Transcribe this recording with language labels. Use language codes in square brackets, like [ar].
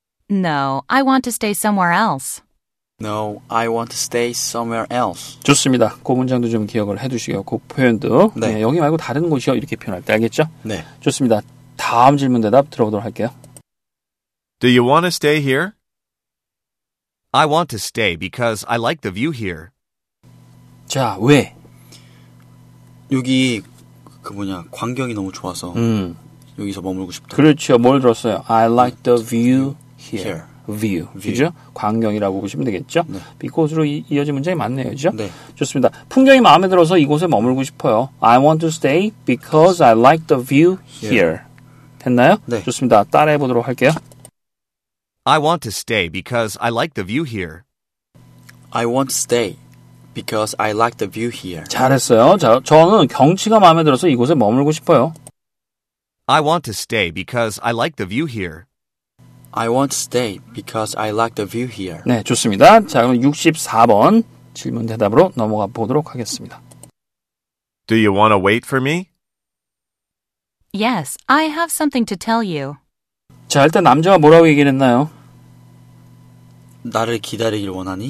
[en] No, I want to stay somewhere else. No, I want to stay somewhere else. [ko] 좋습니다. 그 문장도 좀 기억을 해두시고요. 그 표현도 네. 네, 여기 말고 다른 곳이요 이렇게 표현할 때 알겠죠? 네. 좋습니다. 다음 질문 대답 들어보도록 할게요. [en] Do you want to stay here? I want to stay because I like the view here. [ko] 자, 왜? 여기 그 뭐냐, 광경이 너무 좋아서 여기서 머물고 싶다. 그렇죠. 뭘 들었어요? [en] I like the view here. View. [ko] 그죠? 광경이라고 보시면 되겠죠? 네. Because로 이어진 문장이 맞네요. 그죠? 네. 좋습니다. 풍경이 마음에 들어서 이곳에 머물고 싶어요. [en] I want to stay because I like the view here. [ko] 됐나요? 네. 좋습니다. 따라해 보도록 할게요. [en] I want to stay because I like the view here. I want to stay because I like the view here. [ko] 잘했어요. 저는 경치가 마음에 들어서 이곳에 머물고 싶어요. [en] I want to stay because I like the view here. I want to stay because I like the view here. [ko] 네, 좋습니다. 자, 그럼 64번 질문 대답으로 넘어가 보도록 하겠습니다. [en] Do you want to wait for me? Yes, I have something to tell you. [ko] 자, 일단 남자가 뭐라고 얘기를 했나요? 나를 기다리길 원하니?